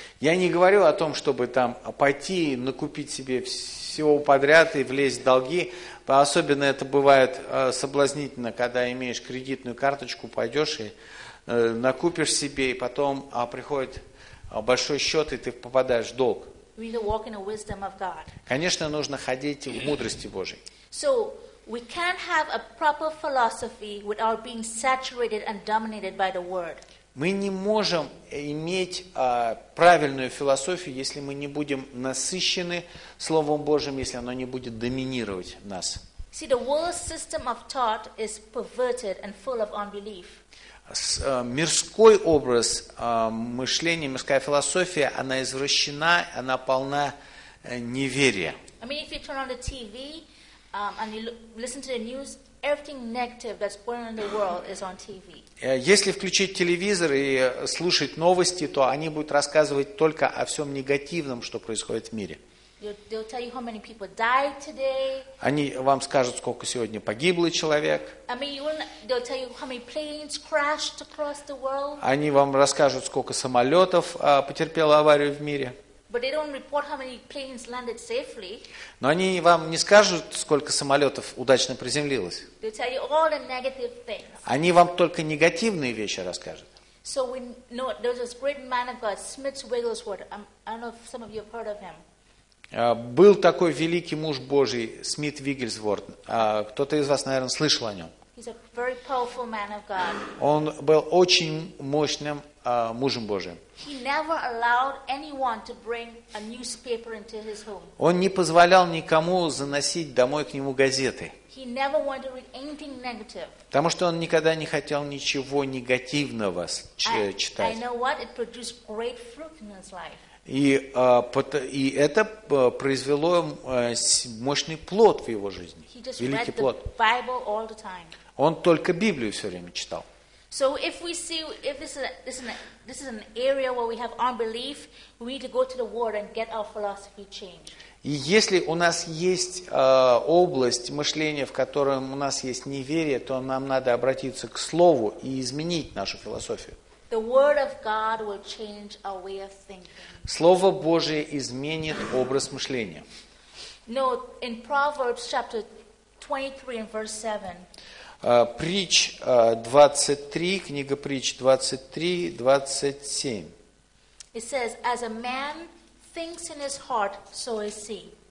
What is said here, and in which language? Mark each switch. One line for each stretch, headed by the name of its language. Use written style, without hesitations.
Russian: Я не говорю о том, чтобы там пойти накупить себе всего подряд и влезть в долги. Особенно это бывает соблазнительно, когда имеешь кредитную карточку, пойдешь и накупишь себе, и потом приходит большой счет, и ты попадаешь в долг.
English: We need to walk in the wisdom of God.
Russian: Конечно, нужно ходить в мудрости Божьей.
English: So we can't have a proper philosophy without being saturated and dominated by the Word.
Russian: Мы не можем иметь правильную философию, если мы не будем насыщены Словом Божьим, если оно не будет доминировать в нас.
English: See, the world's system of thought is perverted and full of unbelief.
Russian: Мирской образ мышления, мирская философия, она извращена, она полна неверия.
English: I mean, if you turn on the TV and you listen to the news, everything negative that's going on in the world is on TV.
Russian: Если включить телевизор и слушать новости, то они будут рассказывать только о всем негативном, что происходит в мире.
English: They'll tell you how many people died today.
Russian: Они вам скажут, сколько сегодня погибло человек.
English: I mean, they'll tell you how many planes crashed across the world.
Russian: Они вам расскажут, сколько самолетов потерпело аварию в мире.
English: But they don't report how many planes landed safely.
Russian: Но они вам не скажут, сколько самолетов удачно приземлилось.
English: They'll tell you all the negative things.
Russian: Они вам только негативные вещи расскажут.
English: So we know there's this great man of God, Smith Wigglesworth. I don't know if some of you have heard of him.
Russian: Был такой великий муж Божий, Смит Вигглсворт. Кто-то из вас, наверное, слышал о нем.
English: He's a very powerful man of God.
Russian: Он был очень мощным мужем Божиим.
English: He never allowed anyone to bring a newspaper into his home.
Russian: Он не позволял никому заносить домой к нему газеты.
English: He never wanted to read anything negative.
Russian: Потому что он никогда не хотел ничего негативного читать.
English: I know what? It produced great fruit in his life.
Russian: И это произвело мощный плод в его жизни.
English: He just
Russian: великий плод.
English: The Bible all the time.
Russian: Он только Библию все время читал.
English: So if we see if this is an area where we have unbelief, we need to go to the Word and get our philosophy changed.
Russian: И если у нас есть область мышления, в которой у нас есть неверие, то нам надо обратиться к Слову и изменить нашу философию.
English: The Word of God will change our way of thinking.
Russian: Слово Божие изменит образ мышления.
English: No, in Proverbs chapter 23 and verse 7.
Russian: Притч 23, книга Притч 23:27.
English: It says, as a man thinks in his heart, so is he.